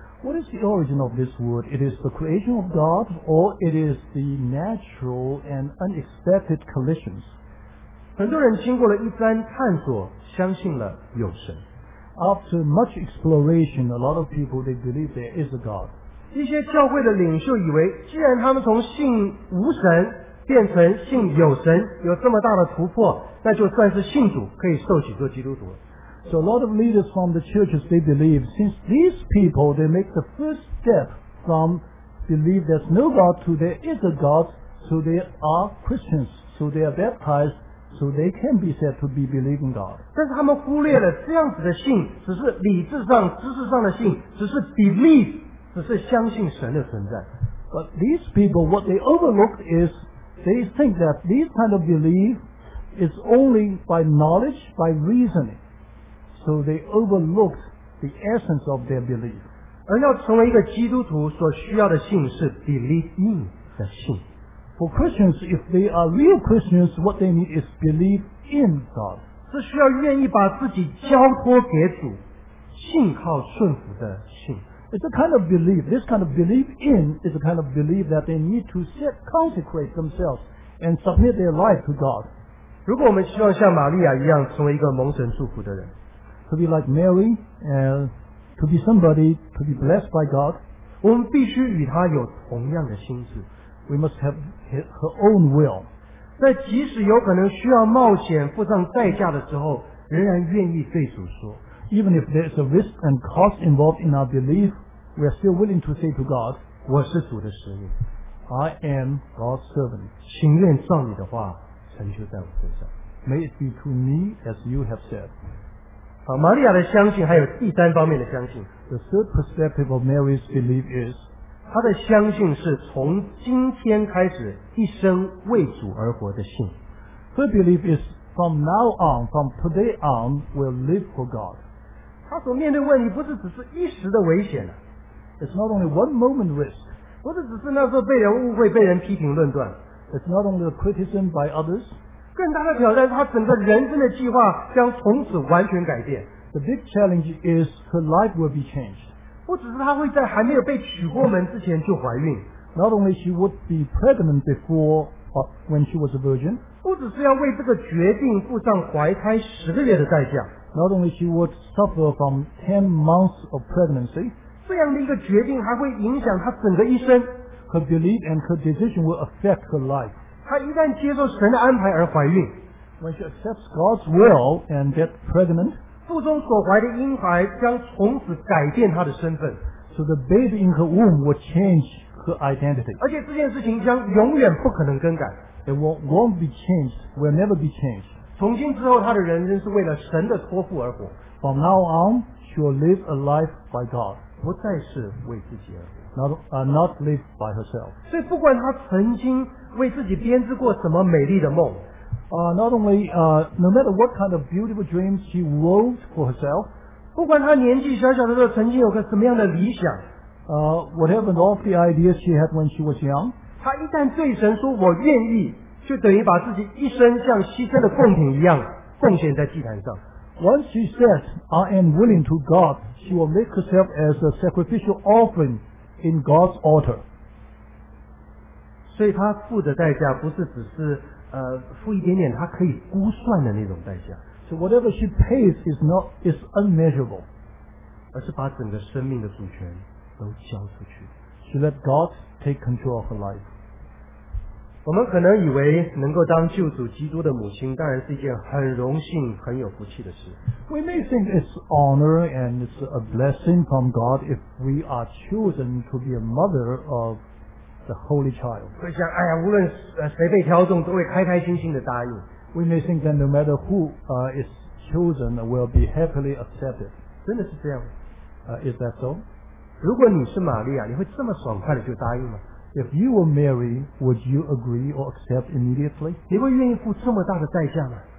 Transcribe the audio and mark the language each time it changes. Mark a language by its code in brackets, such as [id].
[en] What is the origin of this world? It is the creation of God, or it is the natural and unexpected collisions? [zh] 很多人经过了一番探索，相信了有神。 [en] After much exploration, a lot of people, they believe there is a God. [zh] 一些教会的领袖以为，既然他们从信无神变成信有神，有这么大的突破，那就算是信主，可以受洗做基督徒。 [en] So a lot of leaders from the churches, they believe, since these people, they make the first step from believe there's no God to there is a God, so they are Christians, so they are baptized,So they can be said to be believing God. [zh] 但是他们忽略了这样子的信只是理智上知识上的信只是 belief 只是相信神的存在。 [en] But these people, what they overlooked is they think that this kind of belief is only by knowledge, by reasoning. So they overlooked the essence of their belief. [zh] 而要成为一个基督徒所需要的信是 believing 的信。 [en] For Christians, if they are real Christians, what they need is belief in God. [zh] 是需要愿意把自己交托给主，信靠顺服的信。 [en] It's a kind of belief. This kind of belief in is a kind of belief that they need to set, consecrate themselves and submit their life to God. [zh] 如果我们希望像玛利亚一样成为一个蒙神祝福的人 [en] ，to be like Mary and to be somebody to be blessed by God, [zh] 我们必须与她有同样的心智。 [en] We must have her own will. [zh] 在即使有可能需要冒险付上代价的时候，仍然愿意对主说。 [en] Even if there is a risk and cost involved in our belief, we are still willing to say to God, [zh] 我是主的使命。 [en] I am God's servant. [zh] 情愿照你的话成就在我身上。 [en] May it be to me as you have said. [zh] 好，玛利亚的相信还有第三方面的相信。 [en] The third perspective of Mary's belief is, [zh] 他的相信是从今天开始一生为主而活的信。 [en] Her belief is from now on, from today on, will live for God. [zh] 他所面对问题不是只是一时的危险了。 [en] It's not only one moment risk. [zh] 不是只是那时候被人误会、被人批评论断。 [en] It's not only the criticism by others. [zh] 更大的挑战是他整个人生的计划将从此完全改变。 [en] The big challenge is her life will be changed. [zh] 不只是她会在还没有被娶过门之前就怀孕 [en] Not only she would be pregnant before when she was a virgin [zh] 不只是要为这个决定付上怀胎十个月的代价 [en] Not only she would suffer from 10 months of pregnancy [zh] 这样的一个决定还会影响她整个一生 [en] Her belief and her decision will affect her life [zh] 她一旦接受神的安排而怀孕 [en] When she accepts God's will and gets pregnant [zh] 腹中所怀的婴孩将从此改变他的身份。 [en] So the baby in her womb will change her identity. [zh] 而且这件事情将永远不可能更改。 [en] It won't be changed, will never be changed. [zh] 从今之后她的人生是为了神的托付而活。 [en] From now on, she will live a life by God. [zh] 不再是为自己而活。 [en] Not live by herself. [zh] 所以不管她曾经为自己编织过什么美丽的梦。 [en] No matter what kind of beautiful dreams she wove for herself, [zh] 不管她年纪小小的时候曾经有个什么样的理想。 [en] Whatever of the ideas she had when she was young, [zh] 她一旦对神说我愿意，就等于把自己一生像牺牲的贡品一样奉献在祭坛上。 [en] Once she says, I am willing to God, she will make herself as a sacrificial offering in God's altar. [zh] 所以她付的代价不是只是付一点点她可以估算的那种代价。 [en] So whatever she pays is unmeasurable. [zh] 而是把整个生命的主权都交出去。 [en] She let God take control of her life. [zh] 我们可能以为能够当救主基督的母亲当然是一件很荣幸很有福气的事。 [en] We may think it's honor and it's a blessing from God if we are chosen to be a mother of the Holy Child. [zh] 会想哎呀无论谁被挑中都会开开心心的答应。 [en] We may think that no matter who is chosen will be happily accepted. [zh] 真的是这样吗？ [en] Is that so? [zh] 如果你是玛利亚，你会这么爽快的就答应吗？ [en] If you were Mary, would you agree or accept immediately? [zh] 你会愿意付这么大的代价吗？